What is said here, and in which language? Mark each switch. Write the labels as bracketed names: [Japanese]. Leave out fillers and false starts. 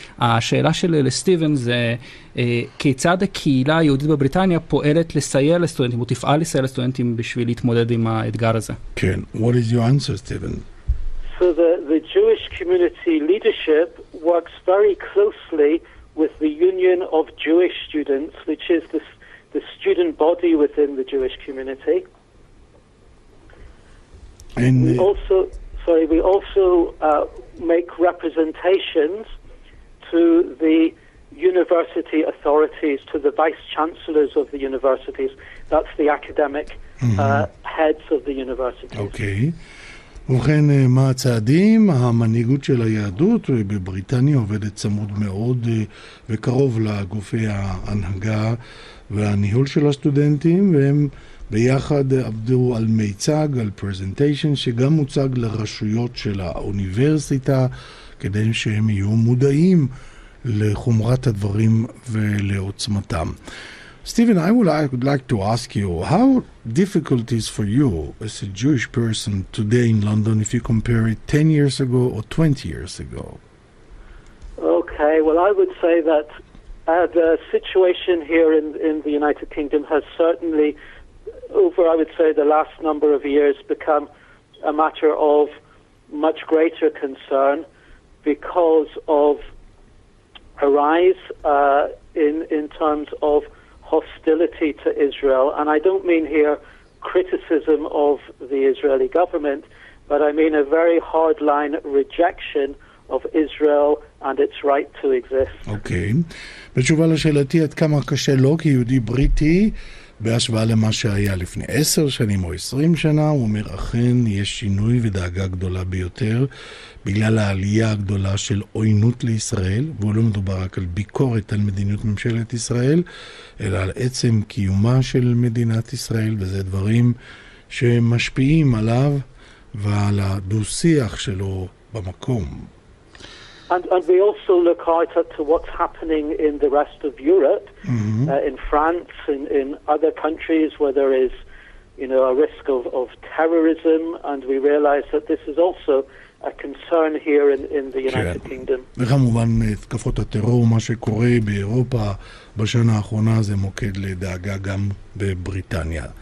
[Hebrew] השאלה שלי לסטיבן זה, כיצד הקהילה היהודית בבריטניה פועלת לסייע לסטודנטים, או תפעל לסייע לסטודנטים בשביל להתמודד עם האתגר הזה? [English] כן, what is your answer, Steven? So the Jewish community leadership works very closely with the Union of Jewish Students, which is the student body within the Jewish community. And we also make representations to the university authorities, to the vice chancellors of the universities. That's the academic heads of the universities. [Hebrew] Okay. ובכן, מה הצעדים? המנהיגות של היהדות בבריטניה עובדת צמוד מאוד וקרוב לגופי ההנהגה והניהול של הסטודנטים, והם ביחד עבדו על מיצג, על פרזנטיישן, שגם מוצג לרשויות של האוניברסיטה, כדי שהם יהיו מודעים לחומרת הדברים ולעוצמתם. [English] Steven, I would like to ask you, how difficult is for you as a Jewish person today in London if you compare it 10 years ago or 20 years ago? Okay, well, I would say that the situation here in the United Kingdom has certainly, over, I would say, the last number of years, become a matter of much greater concern because of a rise in terms of hostility to Israel, and I don't mean here criticism of the Israeli government, but I mean a very hardline rejection of Israel and its right to exist. Okay. [Hebrew] בתשובה לשאלתי, עד כמה קשה לו כיהודי בריטי בהשוואה למה שהיה לפני 10 שנים או 20 שנה, הוא אומר, אכן יש שינוי ודאגה גדולה ביותר בגלל העלייה הגדולה של עוינות לישראל, והוא לא מדובר רק על ביקורת על מדיניות ממשלת ישראל, אלא על עצם קיומה של מדינת ישראל, וזה דברים שמשפיעים עליו ועל הדו-שיח שלו במקום. [English] And we also look out at what's happening in the rest of Europe, in France, in other countries where there is, you know, a risk of terrorism, and we realize that this is also a concern here in the United Kingdom. [Hebrew] וכמובן, תקפות הטרור, מה שקורה באירופה בשנה האחרונה, זה מוקד לדאגה גם בבריטניה.